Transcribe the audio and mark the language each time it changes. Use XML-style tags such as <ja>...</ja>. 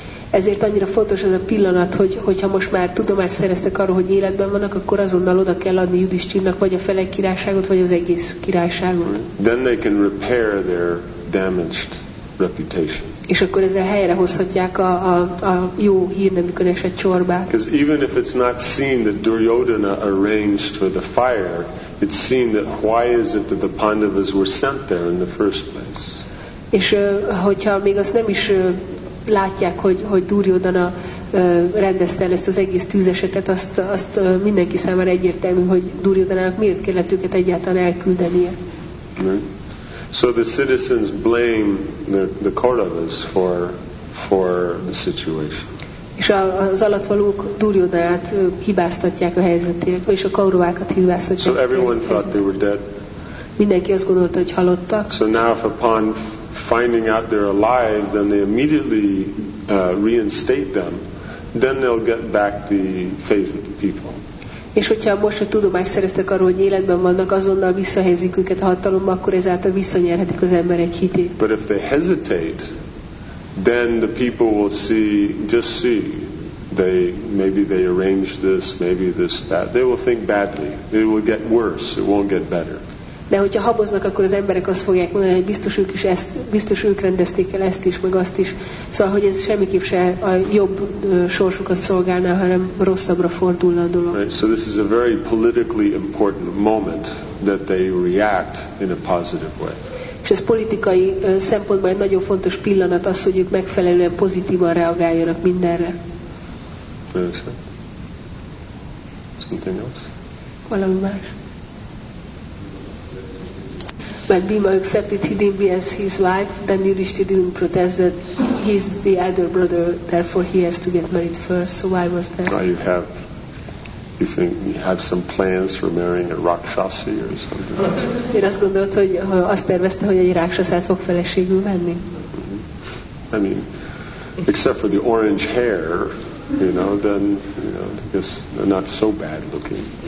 <hu>Ezért annyira fontos ez a pillanat, hogyha most már tudomást szereztek arról, hogy életben vannak, akkor azonnal oda kell adni Yudhishthirnak vagy a fele királyságot, vagy az egész királyságot.</hu> <en>Then they can repair their damaged reputation.</en> <hu>És akkor ezzel helyrehozhatják a jó hírnevükön esett csorbát.</hu> <en>Because even if it's not seen that Duryodhana arranged for the fire, it's seen that why is it that the Pandavas were sent there in the first place?</en> <hu>És hogyha még azt nem is látják, hogy Duryodhana rendezte el ezt az egész tűzesetet, azt mindenki számára egyértelmű, hogy Duryodhanának miért kellett őket egyáltalán elküldenie.</hu> <en>So the citizens blame the Kauravas for the situation.</en> <hu>És az alattvalók Duryodhanát hibáztatják a helyzetért, és a Kauravákat hibáztatják.</hu> <en>So everyone thought they were dead.</en> <hu>Mindenki azt gondolta, hogy halottak.</hu> <en>So now upon finding out they're alive, then they immediately reinstate them. Then they'll get back the faith of the people.</en> <hu>És hogyha most a tudomást szereztek arról, hogy életben vannak, azonnal visszahelyezik őket a hatalomba, akkor ezáltal visszanyerhetik az emberek hitét.</hu> <en>But if they hesitate, then the people will see, maybe they arranged this, maybe this, that. They will think badly. It will get worse. It won't get better.</en> <hu>De hogyha haboznak, akkor az emberek azt fogják mondani, hogy biztos ők is ezt, biztos ők rendezték el ezt is, meg azt is. Szóval, hogy ez semmiképp se a jobb sorsukat szolgálná, hanem rosszabbra fordulna a dolog.</hu> <en>Right. So this is a very politically important moment that they react in a positive way.</en> <hu>És ez politikai szempontból egy nagyon fontos pillanat az, hogy ők megfelelően pozitívan reagáljanak mindenre.</hu> <en>Something else?</en> <hu>Valami más.</hu> <en>When Bhima accepted Hidimbi as his wife, then Yudhishthira didn't protest that he's the elder brother, therefore he has to get married first. So why was that? Now you think you have some plans for marrying a rakshasi or something?</en> <hu>Én azt gondolt, hogy azt tervezte, hogy egy rakshasát fog feleségül venni.</hu> <en>I mean, except for the orange hair, then I guess not so bad looking.</en>